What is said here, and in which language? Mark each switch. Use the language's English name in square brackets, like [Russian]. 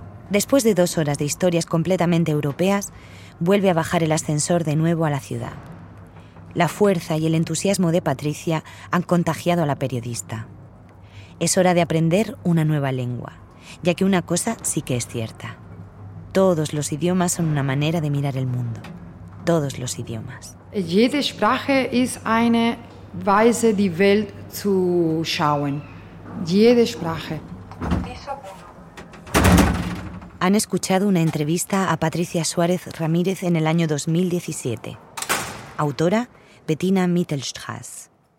[Spanish] Después de 2 horas de historias completamente europeas, vuelve a bajar el ascensor de nuevo a la ciudad. La fuerza y el entusiasmo de Patricia han contagiado a la periodista. Es hora de aprender una nueva lengua, ya que una cosa sí que es cierta. Todos los idiomas son una manera de mirar el mundo. Todos los idiomas. [German] Jede Sprache ist eine Weise, die Welt zu schauen. Jede Sprache. [Spanish] Han escuchado una entrevista a Patricia Suárez Ramírez en el año 2017. Autora, Bettina Mittelstraß.